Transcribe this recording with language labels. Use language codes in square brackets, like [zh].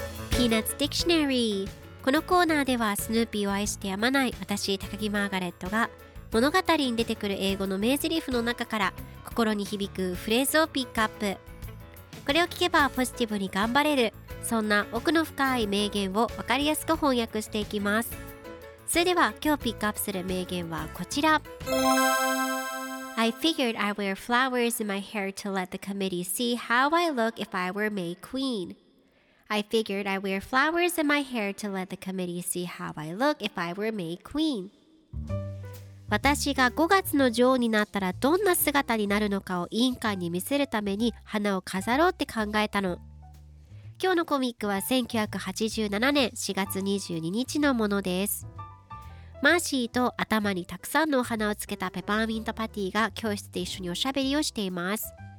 [ja] ピーナッツ・ディクショナリー。このコーナーではスヌーピーを愛してやまない私、高木マーガレットが物語に出てくる英語の名台詞の中から心に響くフレーズをピックアップ。これを聞けばポジティブに頑張れる、そんな奥の深い名言を分かりやすく翻訳していきます。それでは今日ピックアップする名言はこちら。 [en] I figured I'd wear flowers in my hair to let the committee see how I look if I were May Queen. I figured I'd wear flowers in my hair to let the committee see how I look if I were May Queen. [ja] 私が5月の女王になったらどんな姿になるのかを委員会に見せるために花を飾ろうって考えたの。今日のコミックは1987年4月22日のものです。マーシーと頭にたくさんのお花をつけたペパーミントパティが教室で一緒におしゃべりをしています。